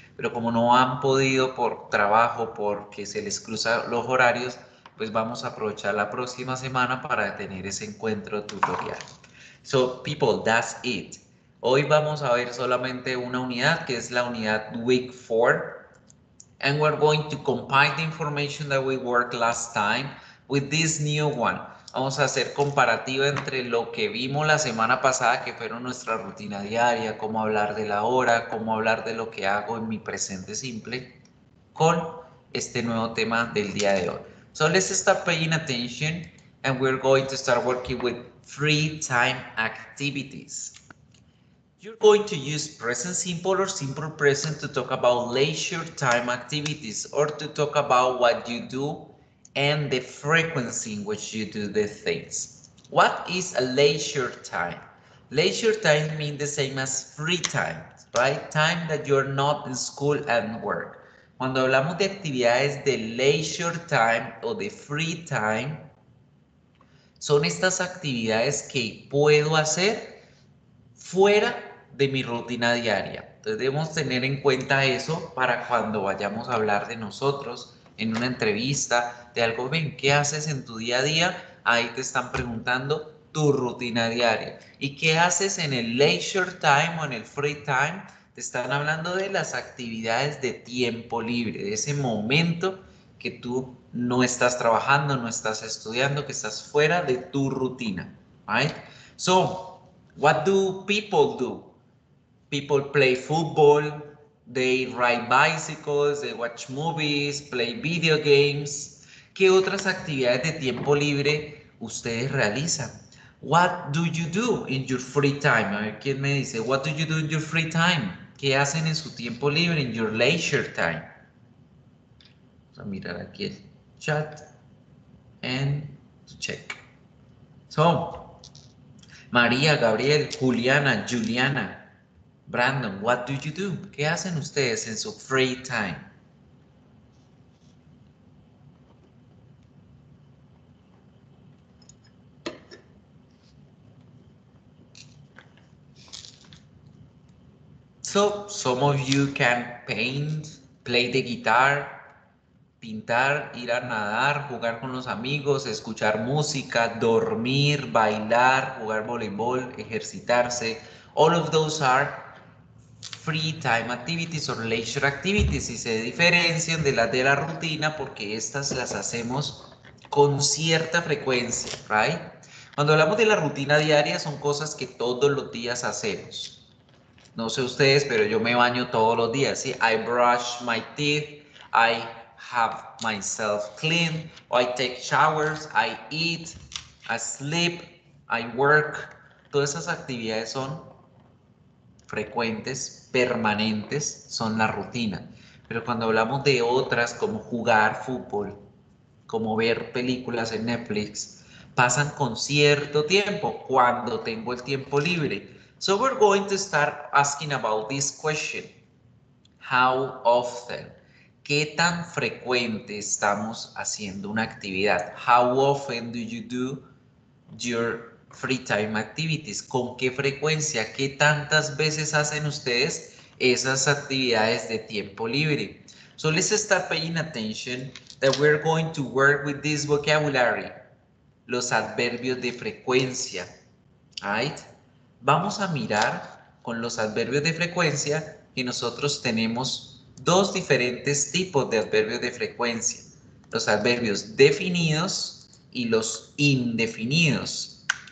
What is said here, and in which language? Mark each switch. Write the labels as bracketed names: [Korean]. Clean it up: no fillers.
[Spanish] Pero como no han podido por trabajo, porque se les cruzan los horarios, pues vamos a aprovechar la próxima semana para tener ese encuentro tutorial. [English] So, people, that's it. [Spanish] Hoy vamos a ver solamente una unidad, que es la unidad week 4. [English] And we're going to compile the information that we worked last time with this new one. [Spanish] Vamos a hacer comparativa entre lo que vimos la semana pasada, que fueron nuestra rutina diaria, cómo hablar de la hora, cómo hablar de lo que hago en mi presente simple, con este nuevo tema del día de hoy. [English] So let's start paying attention, and we're going to start working with free time activities. You're going to use present simple or simple present to talk about leisure time activities, or to talk about what you do and the frequency in which you do the things. What is a leisure time? Leisure time means the same as free time, right? Time that you're not in school and work. [Spanish] Cuando hablamos de actividades de leisure time o de free time, son estas actividades que puedo hacer fuera de mi rutina diaria. Entonces debemos tener en cuenta eso para cuando vayamos a hablar de nosotros en una entrevista, de algo, ven, ¿qué haces en tu día a día? Ahí te están preguntando tu rutina diaria. ¿Y qué haces en el leisure time o en el free time? Te están hablando de las actividades de tiempo libre, de ese momento que tú no estás trabajando, no estás estudiando, que estás fuera de tu rutina. [English] Right? So, what do? People play football, they ride bicycles, they watch movies, play video games. [Spanish] ¿Qué otras actividades de tiempo libre ustedes realizan? [English] What do you do in your free time? [Spanish] A ver, ¿quién me dice? [English] What do you do in your free time? [Spanish] ¿Qué hacen en su tiempo libre, [English] in your leisure time? [Spanish] Vamos a mirar aquí el chat [English] and to check. So, María, Gabriel, Juliana, Juliana, Brandon, what do you do? [Spanish] ¿Qué hacen ustedes en su free time? [English] So, some of you can paint, play the guitar, [Spanish] pintar, ir a nadar, jugar con los amigos, escuchar música, dormir, bailar, jugar voleibol, ejercitarse. [English] All of those are free time activities or leisure activities. [Spanish] Y se diferencian de las de la rutina porque estas las hacemos con cierta frecuencia, right? Cuando hablamos de la rutina diaria, son cosas que todos los días hacemos. No sé ustedes, pero yo me baño todos los días, ¿sí? [English] I brush my teeth, I have myself clean, I take showers, I eat, I sleep, I work. [Spanish] Todas esas actividades son frecuentes, permanentes, son la rutina. Pero cuando hablamos de otras, como jugar fútbol, como ver películas en Netflix, pasan con cierto tiempo, cuando tengo el tiempo libre. [English] So we're going to start asking about this question. How often? [Spanish] ¿Qué tan frecuente estamos haciendo una actividad? [English] How often do you do your free time activities? [Spanish] ¿Con qué frecuencia? ¿Qué tantas veces hacen ustedes esas actividades de tiempo libre? [English] So let's start paying attention that we're going to work with this vocabulary. [Spanish] Los adverbios de frecuencia. Right? Vamos a mirar con los adverbios de frecuencia que nosotros tenemos dos diferentes tipos de adverbios de frecuencia. Los adverbios definidos y los indefinidos.